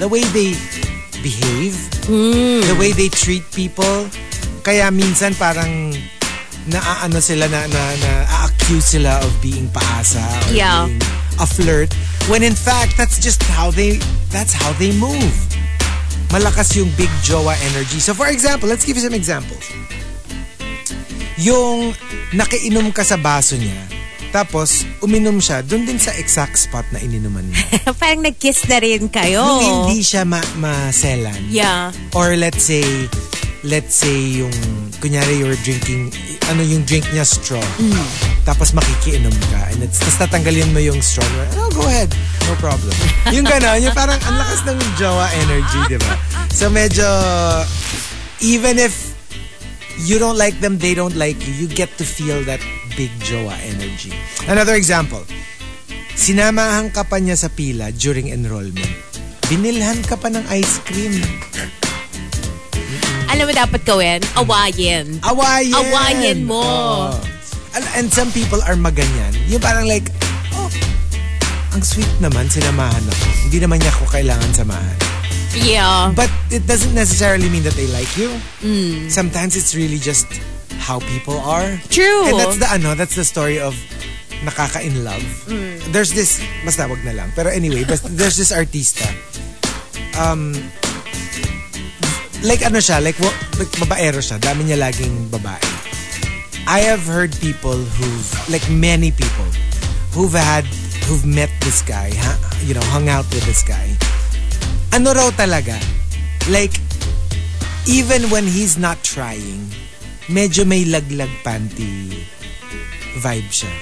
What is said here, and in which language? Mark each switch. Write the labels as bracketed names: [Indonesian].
[English] The way they behave, the way they treat people, kaya minsan parang naaano sila na accuse sila of being paasa or yeah. being a flirt. When in fact, that's how they move. Malakas yung big jowa energy. So for example, let's give you some examples. [Filipino] Yung nakiinom ka sa baso niya, tapos uminom siya dun din sa exact spot na ininuman niya. Parang nag-kiss na rin kayo. Hindi siya maselan. [English] Yeah. Or let's say yung, kunyari you're drinking, ano yung drink niya, straw. Mm. [Filipino] Tapos makikiinom ka. And tapos tatanggalin mo yung straw. Oh, go ahead. No problem. Yung gano'n, yung parang ang lakas ng jowa energy, di ba? [English] So medyo, even if you don't like them, they don't like you, you get to feel that big jowa energy. [Filipino] Another example, sinamahan ka pa niya sa pila during enrollment. Binilhan ka pa ng ice cream. alam mo dapat gawin? Awayin. Awayin. Awayin mo. [English] And some people are maganyan. [Filipino] Yung parang like, oh, ang sweet naman, sinamahan ako. Hindi naman niya ako kailangan samahan. [English] Yeah. But it doesn't necessarily mean that they like you. Sometimes it's really just how people are. True. And that's the, ano, that's the story of nakaka-in-love. There's this, basta wag na lang. Pero anyway, there's this artista. [Filipino] Like ano siya, like babaero siya. Dami niya laging babae. [English] I have heard people who've, like many people, who've met this guy, you know, hung out with this guy. [Filipino] Ano raw talaga? Like, even when he's not trying, medyo may laglag panty vibe siya.